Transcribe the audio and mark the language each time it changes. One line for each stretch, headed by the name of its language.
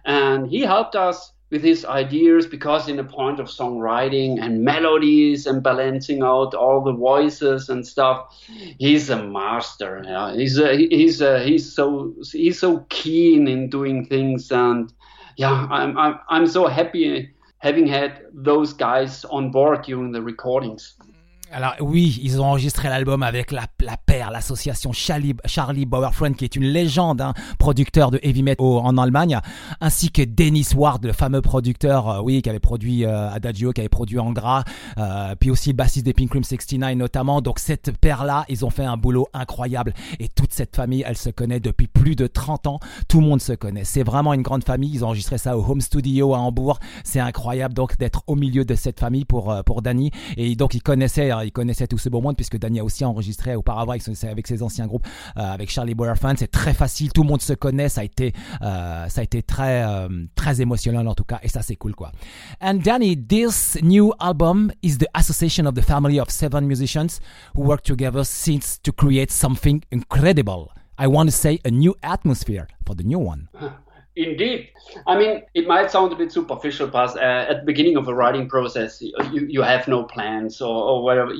English: And he helped us with his ideas, because in the point of songwriting and melodies and balancing out all the voices and stuff, he's a master. Yeah? He's so keen in doing things. And I'm so happy having had those guys on board during the recordings.
French: Alors oui, ils ont enregistré l'album avec la paire, l'association Charlie Bauerfreund, qui est une légende, hein, producteur de heavy metal en Allemagne, ainsi que Dennis Ward, le fameux producteur, oui, qui avait produit Adagio, qui avait produit Angra, puis aussi le bassiste des Pink Cream 69 notamment. Donc cette paire-là, ils ont fait un boulot incroyable. Et toute cette famille, elle se connaît depuis plus de 30 ans. Tout le monde se connaît. C'est vraiment une grande famille. Ils ont enregistré ça au Home Studio à Hambourg. C'est incroyable donc d'être au milieu de cette famille pour Danny. Et donc ils connaissaient tout ce beau monde, puisque Danny a aussi enregistré auparavant avec ses anciens groupes, avec Charlie Bauerfreund. C'est très facile, tout le monde se connaît. Ça a été très très émotionnel en tout cas, et ça c'est cool quoi.
English: And Danny, this new album is the association of the family of seven musicians who work together since to create something incredible. I want to say a new atmosphere for the new one. Indeed. I mean, it might sound a bit superficial, but at the beginning of a writing process, you have no plans or whatever.